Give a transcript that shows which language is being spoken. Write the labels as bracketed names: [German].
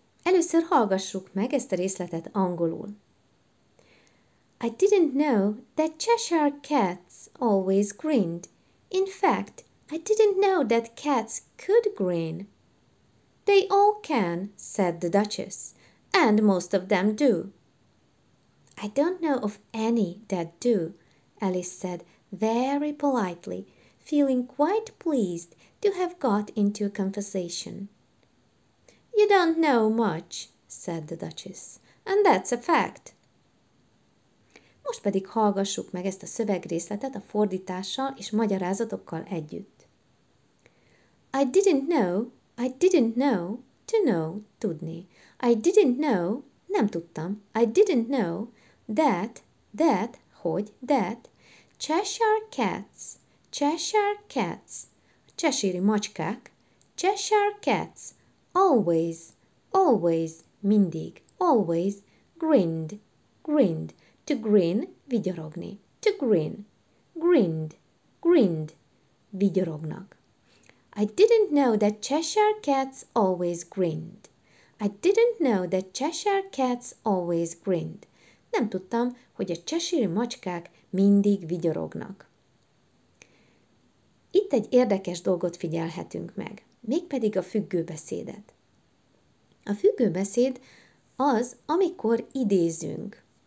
[Hungarian] Először hallgassuk meg ezt a részletet angolul. [English] I didn't know that Cheshire cats always grinned. In fact, I didn't know that cats could grin. They all can, said the Duchess, and most of them do. I don't know of any that do, Alice said very politely, feeling quite pleased to have got into a conversation. You don't know much, said the Duchess, and that's a fact. [Hungarian] Most pedig hallgassuk meg ezt a szövegrészletet a fordítással és magyarázatokkal együtt. [English] I didn't know, to know, [Hungarian] tudni. [English] I didn't know, [Hungarian] nem tudtam. [English] I didn't know, that, [Hungarian] hogy, [English] that, Cheshire cats, [Hungarian] Cheshire-i macskák, [English] Cheshire cats, always, [Hungarian] mindig, [English] always, grinned, to grin, [Hungarian] vigyorogni, [English] to grin, grinned, [Hungarian] vigyorognak. [English] I didn't know that Cheshire cats always grinned. I didn't know that Cheshire cats always grinned. [Hungarian] Nem tudtam, hogy a Cheshire macskák mindig vigyorognak. Itt egy érdekes dolgot figyelhetünk meg, mégpedig a függőbeszédet. A függőbeszéd az, amikor idézünk.